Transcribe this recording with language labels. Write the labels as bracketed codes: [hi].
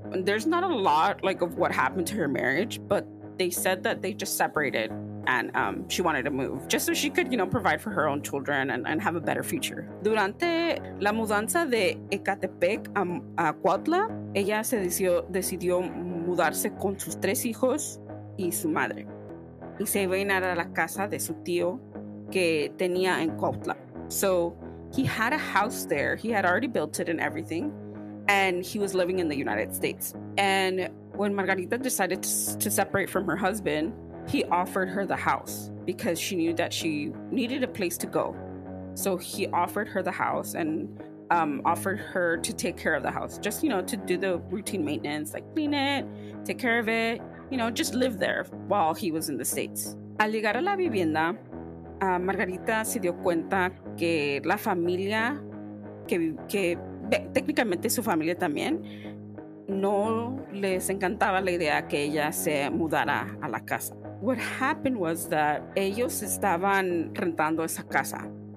[en] And there's not a lot like of what happened to her marriage, but they said that they just separated and she wanted to move just so she could, you know, provide for her own children and have a better future. [es] Durante la mudanza de Ecatepec a Cuautla, ella decidió mudarse con sus 3 hijos y su madre, y se iba a ir a la casa de su tío que tenía en Cuautla. [en] So he had a house there. He had already built it and everything, and he was living in the United States. And when Margarita decided to separate from her husband, he offered her the house because she knew that she needed a place to go. So he offered her the house and offered her to take care of the house, just, you know, to do the routine maintenance, like clean it, take care of it, you know, just live there while he was in the States. [es] Al llegar a la vivienda, Margarita se dio cuenta que la familia, que técnicamente su familia también, no les encantaba la idea que ella se mudara a la casa. [en] What happened was that [es] ellos estaban rentando esa casa.